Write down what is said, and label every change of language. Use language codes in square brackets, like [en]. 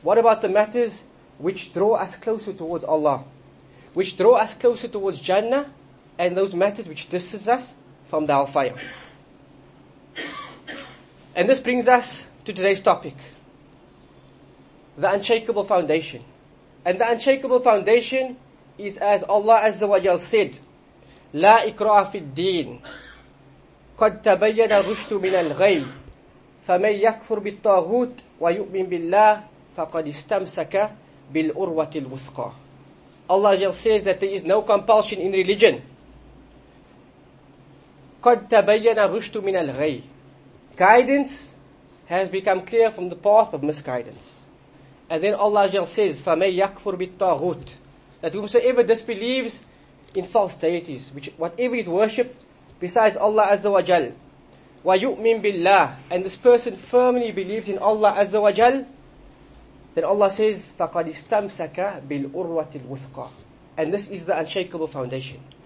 [en] What about the matters which draw us closer towards Allah, which draw us closer towards Jannah, and those matters which distance us from the hellfire? And this brings us to today's topic, the unshakable foundation. [ar] And the unshakable foundation is, as Allah Azza wa Jal said, لا إكراه في الدين قد تبين الرشد من الغي فمن يكفر بالطاغوت ويؤمن بالله فقد استمسك بالأروة الوثقى. [en] Allah Jal says that there is no compulsion in religion. [ar] قد تبين الرشد من الغي. [en] Guidance has become clear from the path of misguidance. And then Allah Jal says, فَمَنْ يَكْفُرْ بِالطَّاغُوتِ, that whosoever disbelieves in false deities, which whatever is worshipped besides Allah Azza wa Jal, وَيُؤْمِنْ بِاللَّهِ, and this person firmly believes in Allah Azza wa Jal, then Allah says, فَقَدْ اسْتَمْسَكَ بِالْأُرْوَةِ الْوُثْقَى, and this is the unshakable foundation.